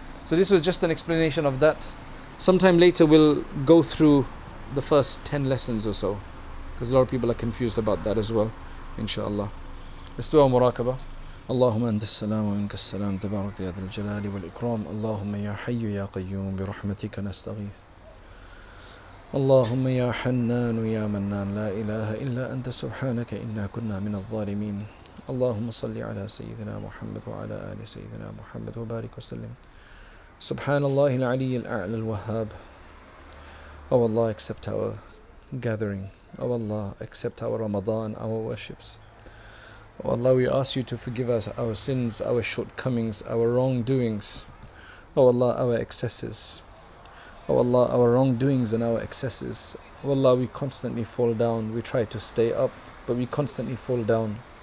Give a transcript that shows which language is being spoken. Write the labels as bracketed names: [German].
[English] So this was just an explanation of that. Sometime later we'll go through the first 10 lessons or so, because a lot of people are confused about that as well, inshallah. Let's do our muraqabah. [Arabic] اللهم أنت السلام ومنك السلام تبارك يا ذا الجلال والإكرام اللهم يا حي يا قيوم برحمتك نستغيث اللهم يا حنان يا منان لا إله إلا أنت سبحانك إنا كنا من الظالمين اللهم صل على سيدنا محمد وعلى آل سيدنا محمد وبارك وسلم سبحان الله العلي الأعلى الوهاب أو الله [English] accept our gathering [Arabic] أو الله [English] accept our Ramadan our worships. Oh Allah, we ask you to forgive us our sins, our shortcomings, our wrongdoings. Oh Allah, our excesses. Oh Allah, our wrongdoings and our excesses. Oh Allah, we constantly fall down. We try to stay up, but we constantly fall down.